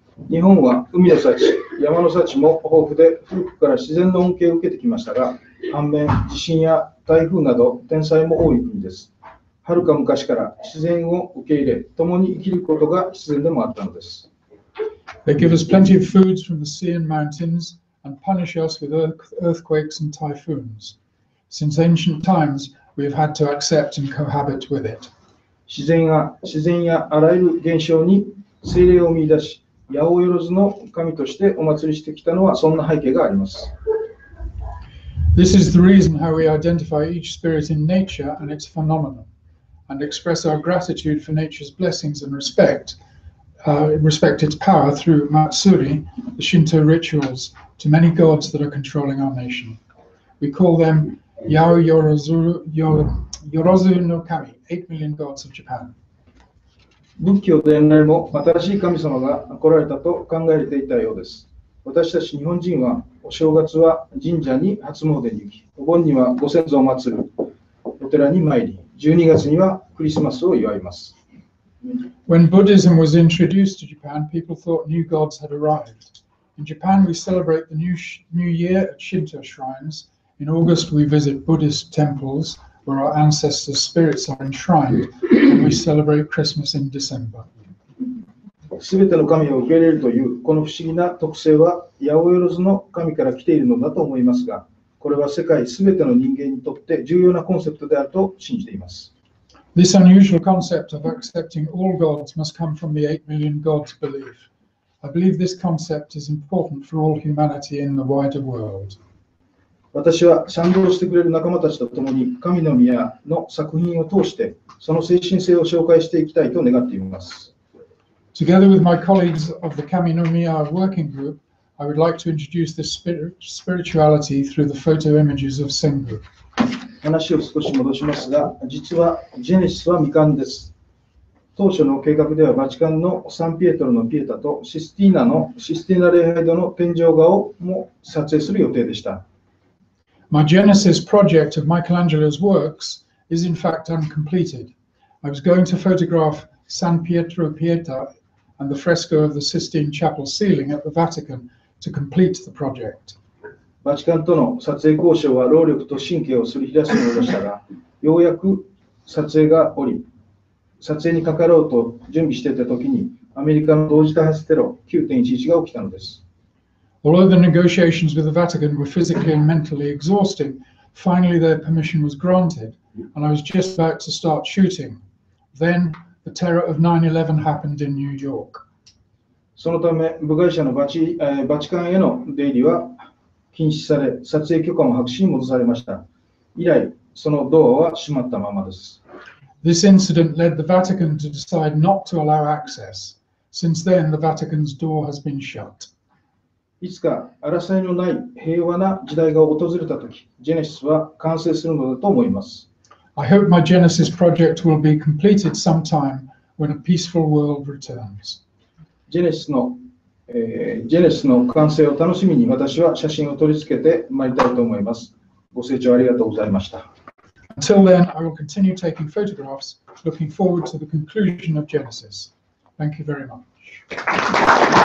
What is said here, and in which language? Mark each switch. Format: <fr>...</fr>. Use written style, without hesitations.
<ja>日本は海の幸、山の幸も豊富で、古くから自然の恩恵を受けてきましたが、反面、地震や台風など天災も多い国です。はるか昔から自然を受け入れ、共に生きることが必然でもあったのです。</ja> <en>They give us plenty of food from the sea and mountains and punish us with earthquakes and typhoons. Since ancient times, we have had to accept and cohabit with it.</en> <ja>自然やあらゆる現象に精霊を見出し、八百万の神としてお祭りしてきたのはそんな背景があります。</ja> <en>This is the reason how we identify each spirit in nature and its phenomenon, and express our gratitude for nature's blessings and respect its power through Matsuri, the Shinto rituals, to many gods that are controlling our nation. We call them Yaoyorozu no Kami, 8 million gods of Japan.</en> <ja>仏教伝来も新しい神様が来られたと考えていたようです。私たち日本人はお正月は神社に初詣に行き、お盆にはご先祖を祀るお寺に参り、12月にはクリスマスを祝います。</ja> <en>When Buddhism was introduced to Japan, people thought new gods had arrived. In Japan, we celebrate the new year at Shinto shrines. In August, we visit Buddhist temples. Where our ancestors' spirits are enshrined, and we celebrate Christmas in December.</en> <ja>全ての神を受け入れるというこの不思議な特性は八百万の神から来ているのだと思いますが、これは世界全ての人間にとって重要なコンセプトであると信じています。</ja> <en>This unusual concept of accepting all gods must come from the 8 million gods belief. I believe this concept is important for all humanity in the wider world.</en> <ja>私は賛同してくれる仲間たちと共に神の宮の作品を通してその精神性を紹介していきたいと願っています。</ja> <en>Together with my colleagues of the 神の宮 Working Group, I would like to introduce this spirituality through the photo images of Sengu.</en> <ja>話を少し戻しますが、実はジェネシスは未完です。当初の計画ではバチカンのサンピエトロのピエタとシスティーナのシスティーナ礼拝堂の天井画をも撮影する予定でした。</ja> <en>My Genesis project of Michelangelo's works is in fact uncompleted. I was going to photograph San Pietro Pietà and the fresco of the Sistine Chapel ceiling at the Vatican to complete the project.</en> <ja>バチカンとの撮影交渉は労力と神経をすり減らすものでしたが、ようやく撮影が終わり、撮影にかかろうと準備していた時にアメリカの同時多発テロ 9.11 が起きたのです。</ja> <en>Although the negotiations with the Vatican were physically and mentally exhausting, finally their permission was granted, and I was just about to start shooting. Then the terror of 9/11 happened in New York.</en> <ja>そのため部外者のバチカンへの出入りは禁止され、撮影許可も白紙に戻されました。以来、そのドアは閉まったままです。</ja> <en>This incident led the Vatican to decide not to allow access. Since then, the Vatican's door has been shut.</en> <ja>いつか争いのない平和な時代が訪れたとき、ジェネシスは完成するのだと思います。</ja> <en>I hope my Genesis project will be completed sometime when a peaceful world returns.</en> <ja>ジェネシスの完成を楽しみに私は写真を取り付けてまいりたいと思います。ご清聴ありがとうございました。</ja> <en>Until then, I will continue taking photographs, looking forward to the conclusion of Genesis. Thank you very much.</en>